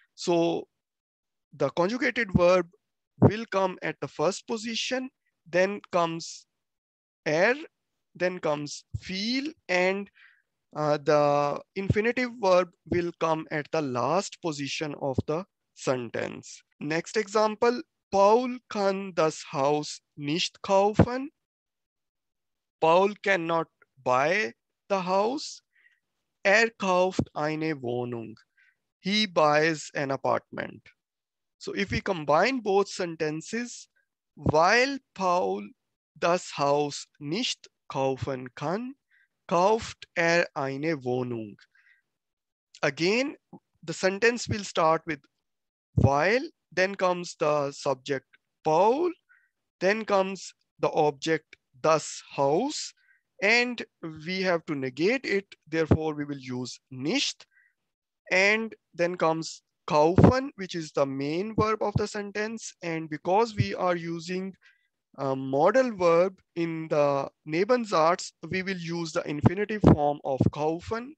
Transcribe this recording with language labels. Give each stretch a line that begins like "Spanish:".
English: So the conjugated verb will come at the first position, then comes then comes viel, and the infinitive verb will come at the last position of the sentence. Next example,
German: Paul kann das Haus nicht kaufen.
English: Paul cannot buy the house.
German: kauft eine Wohnung.
English: He buys an apartment. So if we combine both sentences,
German: weil Paul das Haus nicht kaufen kann, kauft eine Wohnung.
English: Again, the sentence will start with weil, then comes the subject Paul, then comes the object das Haus, and we have to negate it, therefore we will use nicht, and then comes kaufen, which is the main verb of the sentence, and because we are using a modal verb in the Nebensatz, we will use the infinitive form of kaufen.